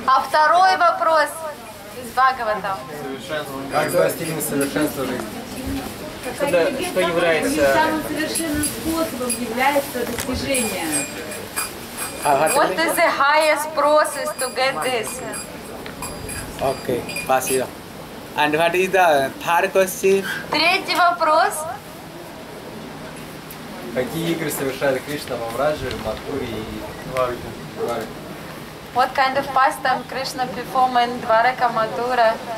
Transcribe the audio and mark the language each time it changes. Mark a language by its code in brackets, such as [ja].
[ru] А второй вопрос из Бхагаватам. Как спасти несовершенство жизни? Что является... Самым совершенным способом является достижение. [en] What is the highest process to get this? Okay, спасибо. And what is the third question? [ru] Третий вопрос. Какие игры совершали Кришна во Враже, Матхуре и Дваре? [en] What kind of pastime Krishna performed in Dvaraka Mathura